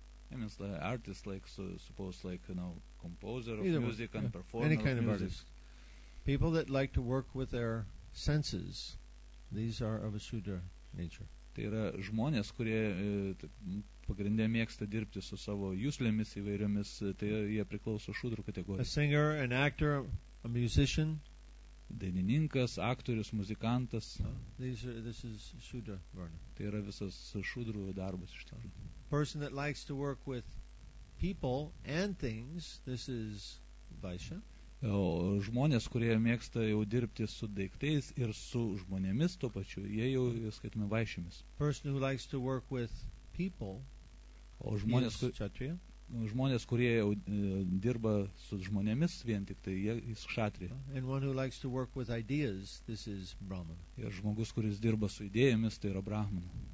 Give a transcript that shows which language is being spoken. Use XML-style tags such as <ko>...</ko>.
<en>I mean, like artist, like, so, suppose, like, you know, composer of either music one. And performer of music. Any kind of artist. People that like to work with their senses, these are of a Shudra nature.</en> <lt>Tai yra žmonės, kurie pagrindė mėgsta dirbti su savo jūslėmis įvairiomis, tai jie priklauso šudrų kategorijai.</lt> <en>A singer, an actor, a musician.</en> <lt>Dainininkas, aktorius, muzikantas.</lt> <en>This is Shudra Varna.</en> <lt>Tai yra visas šudrų darbas iš tikrųjų.</lt> <en>Person that likes to work with people and things, this is Vaishya.</en> <lt>O žmonės, kurie mėgsta jau dirbti su daiktais ir su žmonėmis tuo pačiu, jie jau skaitome vaišėmis.</lt> <en>Person who likes to work with people,</en> <lt>o žmonės, kurie jau dirba su žmonėmis vien tik tai, jie jis kšatrija.</lt> <en>And one who likes to work with ideas, this is Brahman.</en> <lt>Ir žmogus, kuris dirba su idėjomis, tai yra Brahman.</lt>